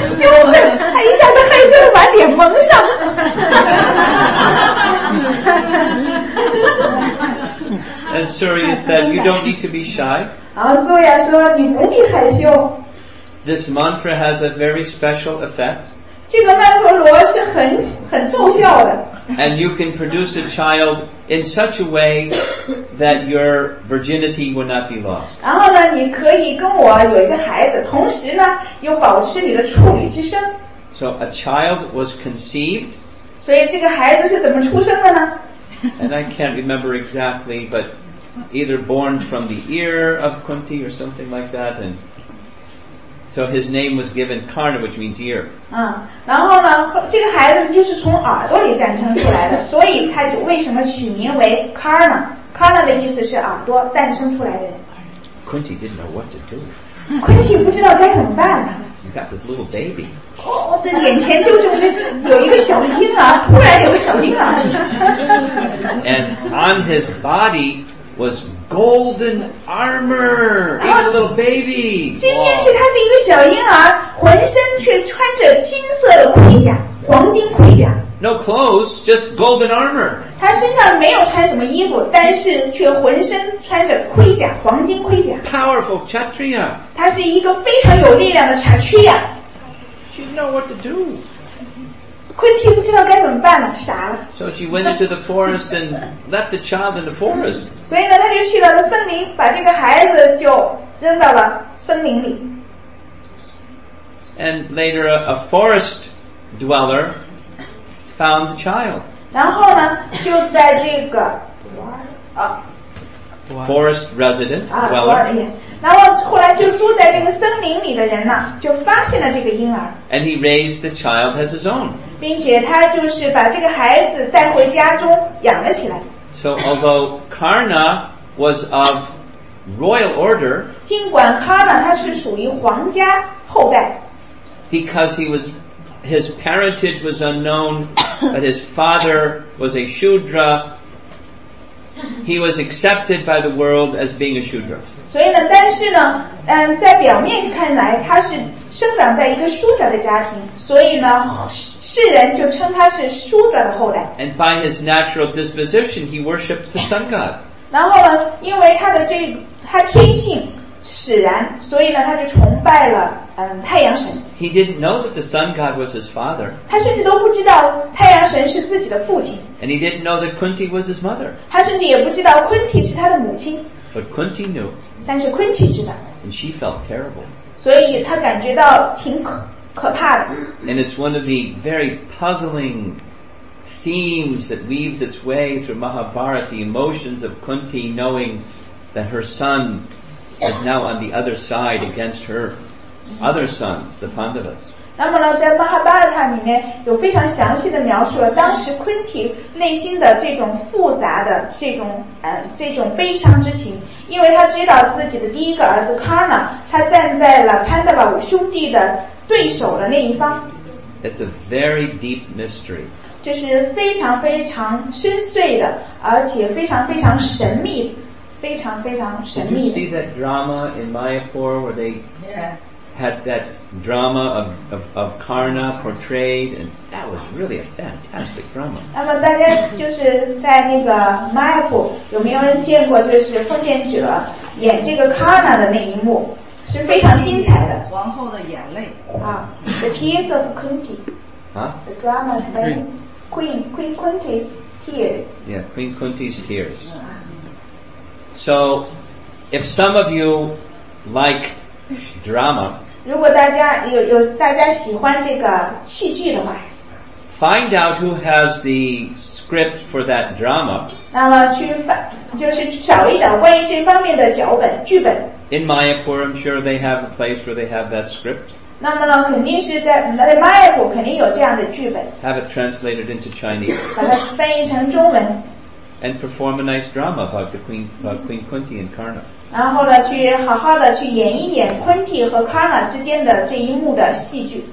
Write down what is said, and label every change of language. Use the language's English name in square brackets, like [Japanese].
[Chinese] 他一下子害羞的把脸蒙上。 [English] And Surya said, "You don't need to be shy." [Chinese] 然后苏雅说，你不必害羞。 [English] This mantra has a very special effect. [Chinese] 这个曼陀罗是很奏效的。 [English] And you can produce a child in such a way that your virginity will not be lost. [Chinese] 然后呢，你可以跟我有一个孩子，同时呢又保持你的处女之身。 [English] So a child was conceived. [Chinese] 所以这个孩子是怎么出生的呢 [English] ？And I can't remember exactly, but either born from the ear of Kunti or something like that, and. So his name was given Karna, which means ear. [Chinese] 然后呢，这个孩子就是从耳朵里诞生出来的，所以他就为什么取名为 Karna? Karna 的意思是耳朵诞生出来的人。 [English] Kunti didn't know what to do. [Chinese] Kunti 不知道该怎么办。 [English] He's got this little baby. [Chinese] 这眼前就这么有一个小婴儿，突然有个小婴儿。 [English] And on his body. Was golden armor, even a little baby. [Chinese] 今天是他是一个小婴儿，浑身却穿着金色的盔甲，黄金盔甲。 [English] No clothes, just golden armor. [Chinese] 他身上没有穿什么衣服，但是却浑身穿着盔甲，黄金盔甲。 [English] Powerful Kshatriya. [Chinese] 他是一个非常有力量的 Kshatriya. [English] She didn't know what to do. [Chinese] 昆蒂不知道该怎么办了，傻了。 [English] So she went into the forest and left the child in the forest. [Chinese] 所以呢，她就去到了森林，把这个孩子就扔到了森林里。 [English] And later, a forest dweller found the child. [Chinese] 然后呢，就在这个 [English] forest resident dweller. [Chinese] 然后后来就住在这个森林里的人呢，就发现了这个婴儿。 [English] And he raised the child as his own. [Chinese] 并且他就是把这个孩子带回家中养了起来。 [English] So although Karna was of royal order, [Chinese] 尽管 Karna 他是属于皇家后代 [English] ，because his parentage was unknown, but his father was a Shudra, he was accepted by the world as being a Shudra. [Chinese] 所以呢，但是呢，在表面看来他是。生长在一个书者的家庭，所以呢，世人就称他是书者的后代。 [English] And by his natural disposition, he worshipped the sun god. [Chinese] 然后呢，因为他天性使然，所以呢，他就崇拜了太阳神。 [English] He didn't know that the sun god was his father. [Chinese] 他甚至都不知道太阳神是自己的父亲。 [English] And he didn't know that Kunti was his mother. [Chinese] 他甚至也不知道昆蒂是他的母亲。 [English] But Kunti knew. [Chinese] 但是昆蒂知道。 [English] And she felt terrible. [Chinese] 所以他感觉到挺可怕的。 [English] And it's one of the very puzzling themes that weaves its way through Mahabharata, the emotions of Kunti knowing that her son is now on the other side against her other sons, the Pandavas. [Chinese] 那么呢，在《马哈巴拉塔》里面有非常详细的描述了当时昆提内心的这种复杂的这种悲伤之情，因为他知道自己的第一个儿子卡纳，他站在了潘德瓦五兄弟的对手的那一方。 [English] It's a very deep mystery. [Chinese] 这是非常非常深邃的，而且非常非常神秘，非常非常神秘。 [English] Did you see that drama in Mayapur where they? Had that drama of Karna portrayed, and that was really a fantastic drama. [Chinese] 那么大家就是在那个 Mayapur 有没有人见过就是奉献者演这个 Karna 的那一幕，是非常精彩的。皇后的眼泪 [English] 啊 ，The Tears of Kunti. 啊，The drama is Queen Kunti's tears. Yeah, Queen Kunti's tears. So, if some of you like drama, [Chinese] 如果大家有大家喜欢这个戏剧的话 [English] ，find out who has the script for that drama. [Chinese] 那么去就是找一找关于这方面的脚本剧本。 [English] In Mayapur, I'm sure they have a place where they have that script. [Chinese] 那么呢，肯定是在 Mayapur 肯定有这样的剧本。 [English] Have it translated into Chinese. [Chinese] 把它翻译成中文。 [English] And perform a nice drama about the queen, about Queen Kunti and Karna. [Chinese] 然后呢，去好好的去演一演昆蒂和卡纳之间的这一幕的戏剧。